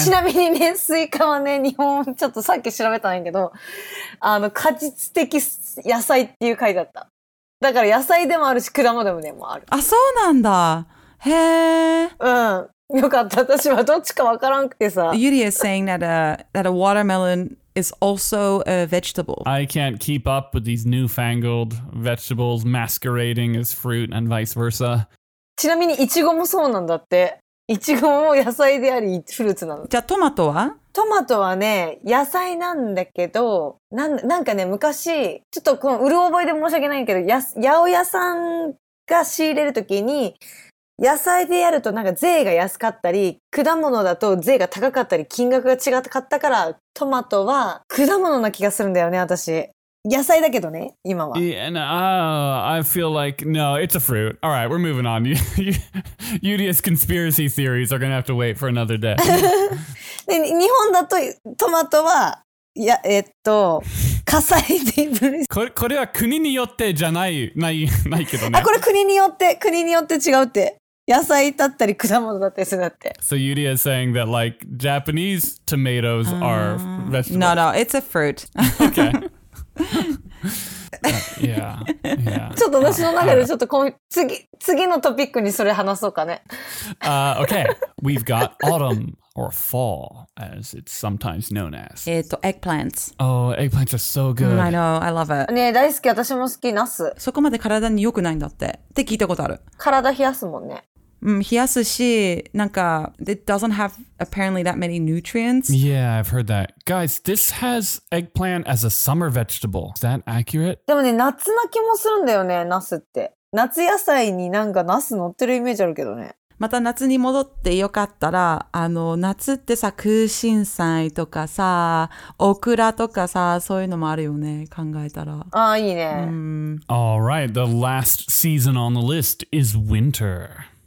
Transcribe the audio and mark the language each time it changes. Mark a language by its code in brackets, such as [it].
[ja] ちなみにね、スイカはね、日本、ちょっとさっき調べたんやけど、あの、果実的野菜っていう回だった。だから野菜でもあるし、果物でも、ね、もある。あ、そうなんだ。へぇー。うん。よかった。私はどっちかわからんくてさ。 [en] ユリ is saying that a watermelon is also a vegetable. I can't keep up with these newfangled vegetables masquerading as fruit and vice versa. [ja] ちなみにイチゴもそうなんだって。イチゴも野菜でありフルーツなの。じゃあトマトは? トマトはね、野菜なんだけど、なんかね、昔、ちょっとこのうる覚えで申し訳ないけど、八百屋さんが仕入れるときに、野菜でやるとなんか税が安かったり、果物だと税が高かったり、金額が違かったから、トマトは果物な気がするんだよね、私。野菜だけどね、今は。 [en] Yeah, no, I feel like, no, it's a fruit. All right, we're moving on. Yuria's conspiracy theories are gonna have to wait for another day. [ja] で日本だとトマトは、いや、火災で分離する。これは国によってじゃない、ないけどね。あ、これ国によって違うって。野菜だったり果物だったりするだって。 [en] So Yuria is saying that like Japanese tomatoes are vegetables. No, no, it's a fruit. Okay. [ja] ちょっと私の中でちょっと次のトピックにそれ話そうかね。 [en] Okay, we've got autumn or fall as it's sometimes known as. Eggplants. Oh, eggplants are so good. I know, I love it. [ja] ね、大好き、私も好き、ナス。そこまで体に良くないんだってって聞いたことある。体冷やすもんね。冷やすし、なんか [en] it doesn't have apparently that many nutrients. Yeah, I've heard that. Guys, this has eggplant as a summer vegetable. Is that accurate? [ja] でもね、夏な気もするんだよね、ナスって。夏野菜になんかナス乗ってるイメージあるけどね。また夏に戻ってよかったら、あの夏ってさ、空心菜とかさ、オクラとかさ、そういうのもあるよね、考えたら。ああ、いいね。 [en] All right, the last season on the list is winter.